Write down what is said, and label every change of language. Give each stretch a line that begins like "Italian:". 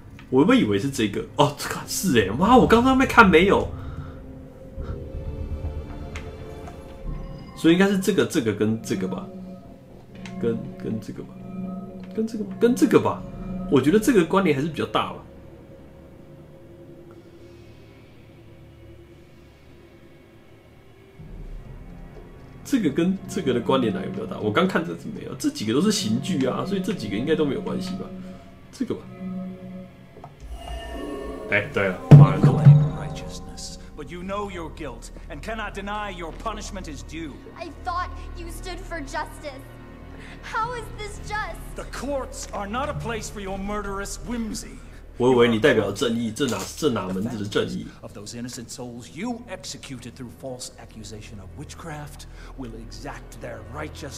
Chinese: 我原本以为是这个哦，这个是哎，妈，我刚刚没看没有，所以应该是这个跟这个吧，跟这个吧，跟这个吧，我觉得这个关联还是比较大吧。这个跟这个的关联哪有比较大？我刚看这是没有，这几个都是刑具啊，所以这几个应该都没有关系吧？这个吧。哎，对了，马尔科。
English: Righteousness, but you know your guilt and cannot deny your punishment is due. I thought you stood for justice. How is this just? The courts are not a place for your murderous whimsy.
Chinese: 我以为你代表正义，这哪门子的正义
English: ？Of those innocent souls you executed through false accusation of witchcraft will exact their righteous justice.